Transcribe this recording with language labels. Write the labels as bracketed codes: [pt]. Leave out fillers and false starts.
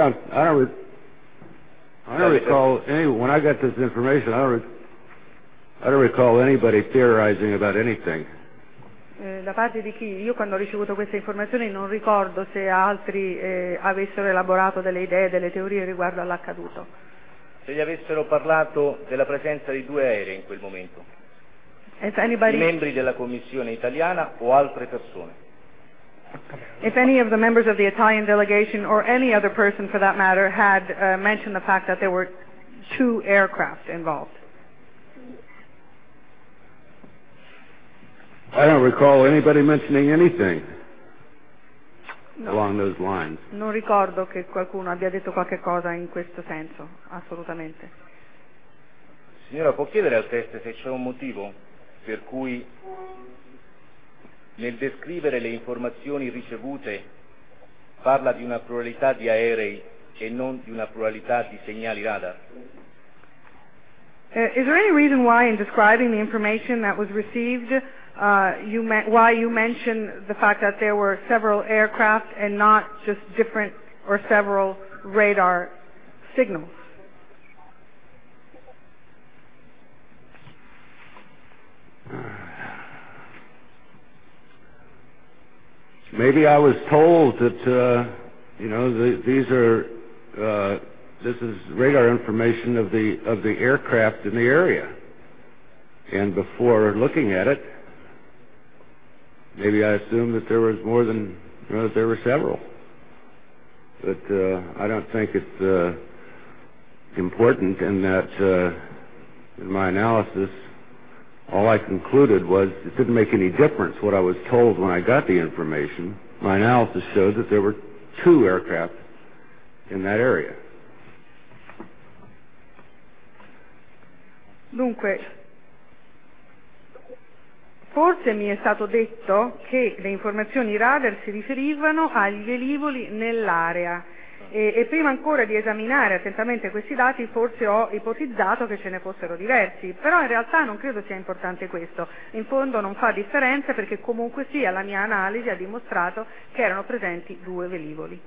[en] I don't recall any, when I got this information, I don't recall anybody theorizing about anything. [it] Da parte di chi? Io quando ho ricevuto queste informazioni non ricordo se altri avessero elaborato delle idee, delle teorie riguardo all'accaduto. Se gli avessero parlato della presenza di due aerei in quel momento. [en] If anybody, [it] I membri della commissione italiana o altre persone. [en] If any of the members of the Italian delegation or any other person for that matter had mentioned the fact that there were two aircraft involved. I don't recall anybody mentioning anything along those lines. [it] Non ricordo che qualcuno abbia detto qualche cosa in questo senso, assolutamente. Signora, può chiedere al test se c'è un motivo per cui nel descrivere le informazioni ricevute parla di una pluralità di aerei e non di una pluralità di segnali radar? [en] Is there any reason why in describing the information that was received why you mention the fact that there were several aircraft and not just different or several radar signals? Maybe I was told that, this is radar information of the aircraft in the area. And before looking at it, maybe I assumed that there was more than, that there were several. But I don't think it's important in that, in my analysis, all I concluded was it didn't make any difference what I was told when I got the information. My analysis showed that there were two aircraft in that area. [it] Dunque, forse mi è stato detto che le informazioni radar si riferivano agli velivoli nell'area e prima ancora di esaminare attentamente questi dati forse ho ipotizzato che ce ne fossero diversi, però in realtà non credo sia importante questo, in fondo non fa differenza perché comunque sia la mia analisi ha dimostrato che erano presenti due velivoli.